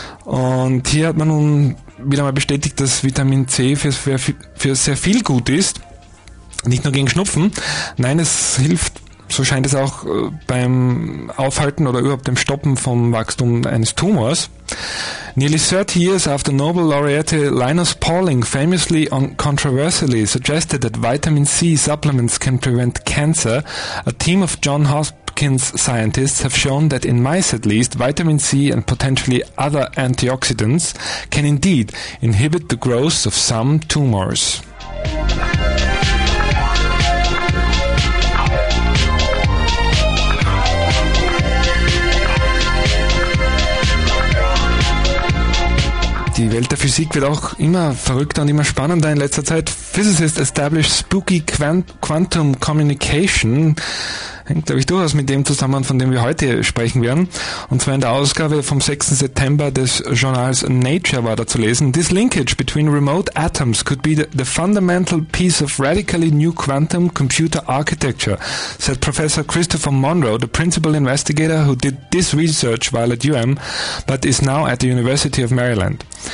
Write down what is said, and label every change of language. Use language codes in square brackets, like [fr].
[de] Und hier hat man nun wieder mal bestätigt, dass Vitamin C für sehr viel gut ist. Nicht nur gegen Schnupfen. Nein, es hilft, so scheint es auch, beim Aufhalten oder überhaupt dem Stoppen vom Wachstum eines Tumors. [en] Nearly 30 years after Nobel laureate Linus Pauling famously and controversially suggested that vitamin C supplements can prevent cancer, a team of John Hopkins scientists have shown that in mice at least, vitamin C and potentially other antioxidants can indeed inhibit the growth of some tumors. [de] Die Welt der Physik wird auch immer verrückter und immer spannender in letzter Zeit. [en] Physicists establish spooky quantum communication. [de] Hängt, glaube ich, durchaus mit dem zusammen, von dem wir heute sprechen werden. Und zwar in der Ausgabe vom 6. September des Journals Nature war da zu lesen. [en] This linkage between remote atoms could be the fundamental piece of radically new quantum computer architecture, said Professor Christopher Monroe, the principal investigator who did this research while at UM, but is now at the University of Maryland.